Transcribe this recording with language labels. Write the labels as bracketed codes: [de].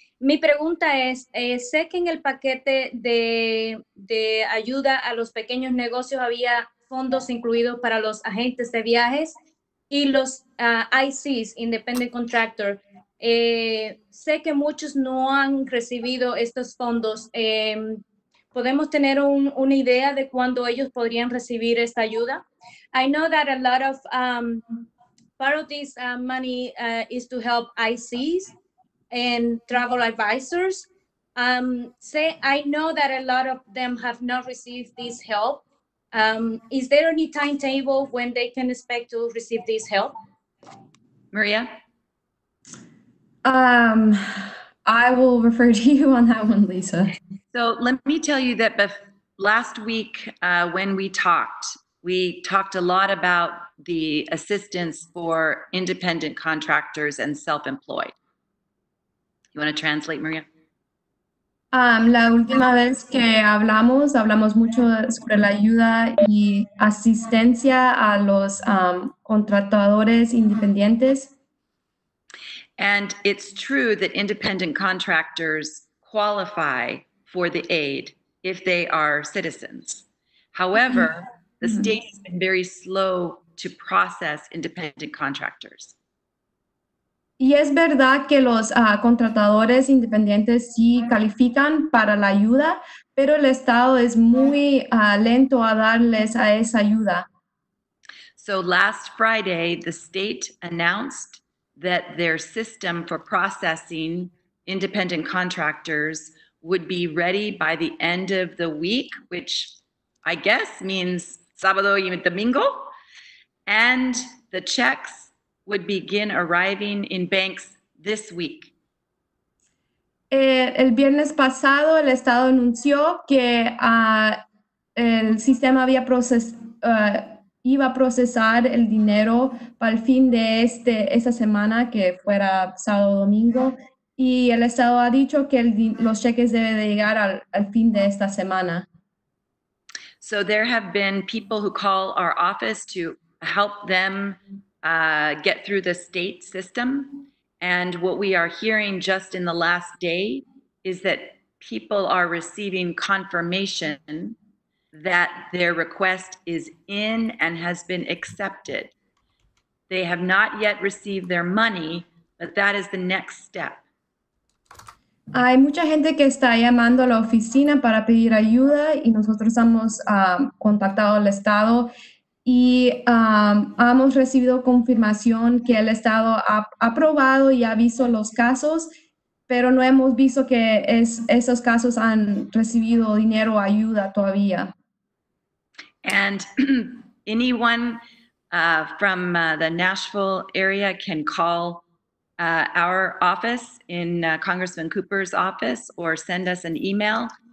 [es] Mi pregunta es, sé que en el paquete de, ayuda a los pequeños negocios había fondos incluidos para los agentes de viajes y los ICs, Independent Contractor. Sé que muchos no han recibido estos fondos. ¿Podemos tener una idea de cuándo ellos podrían recibir esta ayuda? [en] I know that a lot of part of this money is to help ICs and travel advisors. I know that a lot of them have not received this help. Is there any timetable when they can expect to receive this help? Maria? I will refer to you on that one, Lisa. So let me tell you that last week when we talked a lot about the assistance for independent contractors and self-employed. You want to translate, Maria? [es] La última vez que hablamos, mucho sobre la ayuda y asistencia a los contratadores independientes. [en] And it's true that independent contractors qualify for the aid if they are citizens. However, the state has been very slow to process independent contractors. [es] Y es verdad que los contratadores independientes sí califican para la ayuda, pero el estado es muy lento a darles a esa ayuda. [en] So last Friday, the state announced that their system for processing independent contractors would be ready by the end of the week, which I guess means [es] sábado y domingo, [en] and the checks would begin arriving in banks this week. [es] El viernes pasado, el estado anunció que el sistema había iba a procesar el dinero para el fin de esa semana, que fuera sábado o domingo, y el estado ha dicho que los cheques deben de llegar al fin de esta semana. [en] So there have been people who call our office to help them get through the state system, and what we are hearing just in the last day is that people are receiving confirmation that their request is in and has been accepted. They have not yet received their money, but that is the next step. [es] Hay mucha gente que está llamando a la oficina para pedir ayuda y nosotros hemos contactado al estado y hemos recibido confirmación que el estado ha aprobado y ha visto los casos, pero no hemos visto que esos casos han recibido dinero o ayuda todavía. [en] And anyone from the Nashville area can call our office in Congressman Cooper's office or send us an email.